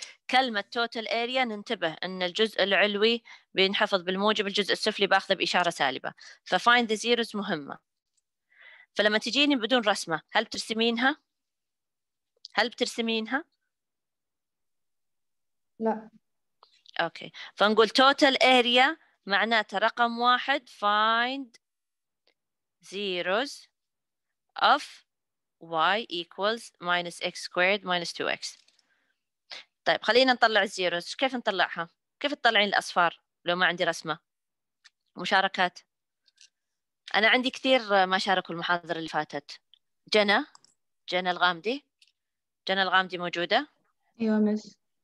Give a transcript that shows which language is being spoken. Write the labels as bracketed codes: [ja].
[ar] كلمة total area ننتبه أن الجزء العلوي بينحفظ بالموجب، الجزء السفلي بأخذ بإشارة سالبة. [en] ففايند the zeros [ar] مهمة. فلما تجيني بدون رسمة هل بترسمينها؟ هل بترسمينها؟ لا. أوكي، فنقول total area معناته رقم واحد [en] find zeros of y equals minus x squared minus 2x. [ar] طيب خلينا نطلع الزيروز، كيف نطلعها؟ كيف تطلعين الأصفار لو ما عندي رسمة؟ مشاركات؟ أنا عندي كثير ما شاركوا المحاضرة اللي فاتت. جنى؟ جنى الغامدي؟ جنى الغامدي موجودة؟ أيوة مس.